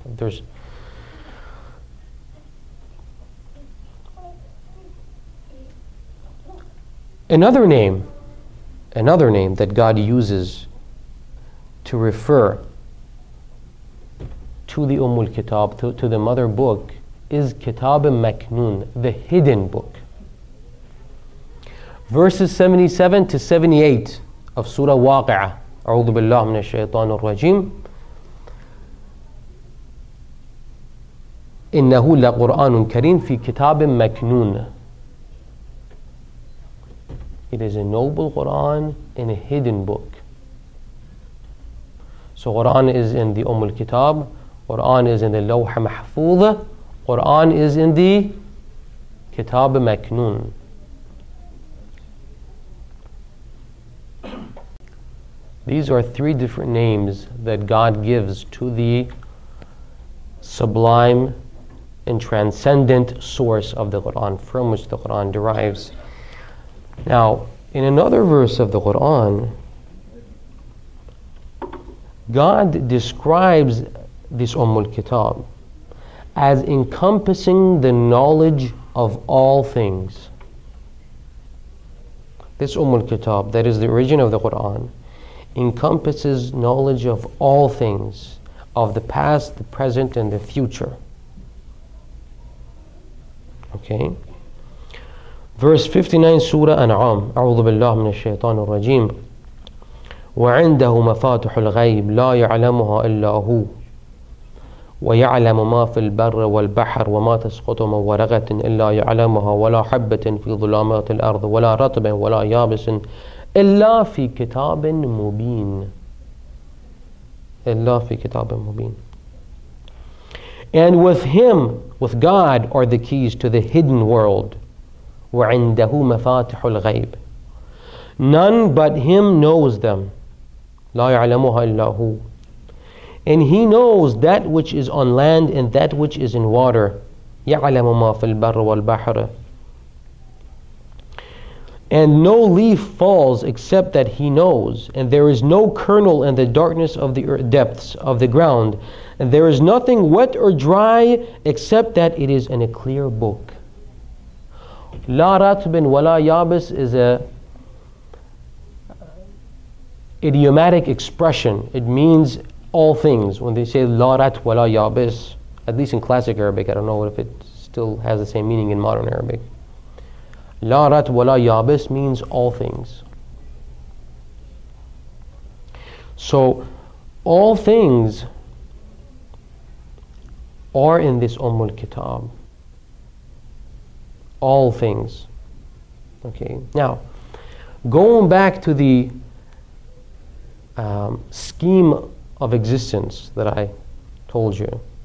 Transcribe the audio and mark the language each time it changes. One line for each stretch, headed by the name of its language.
English: There's another name that God uses to refer to the Umm al-Kitab, to the mother book, is Kitab al-Maknun, the hidden book. Verses 77 to 78 of Surah Waqi'ah,
Arabic: أعوذ بالله من الشيطان الرجيم. إنه لقرآن كريم في كتاب مكنون.
English: It is a noble Quran in a hidden book. So Quran is in the Umm al-Kitab, Quran is in the Lawha Mahfuz, Quran is in the Kitab Maknun. These are three different names that God gives to the sublime and transcendent source of the Quran, from which the Quran derives. Now, in another verse of the Quran, God describes this Umm al-Kitab as encompassing the knowledge of all things. This Umm al-Kitab, that is the origin of the Quran, encompasses knowledge of all things, of the past, the present, and the future. Okay? Verse 59, Surah An'am,
Arabic: أعوذ بالله من الشيطان الرجيم. وعنده مفاتح الغيب لا يعلمها إلا هو ويعلم ما في البر والبحر وما تسقط من ورقة إلا يعلمها ولا حبة في ظلمات الأرض ولا رطب ولا يابس إلا في كتاب مبين. إلا في كتاب مبين.
English: And with him, with God, are the keys to the hidden world.
Arabic: وعنده مفاتح الغيب.
English: None but him knows them.
Arabic: لا يعلمها إلا هو.
English: And he knows that which is on land and that which is in water.
Arabic: يعلم ما في البر والبحر.
English: And no leaf falls except that he knows, and there is no kernel in the darkness of the earth, depths of the ground, and there is nothing wet or dry except that it is in a clear book.
Arabic: لا رطب ولا يابس
English: is a idiomatic expression. It means all things. When they say
Arabic: لا رطب ولا يابس,
English: at least in classic Arabic, I don't know if it still has the same meaning in modern Arabic.
Arabic: لا رطب ولا يابس
English: means all things. So all things are in this Umm al-Kitab. All things. Okay. Now, going back to the scheme of existence that I told you.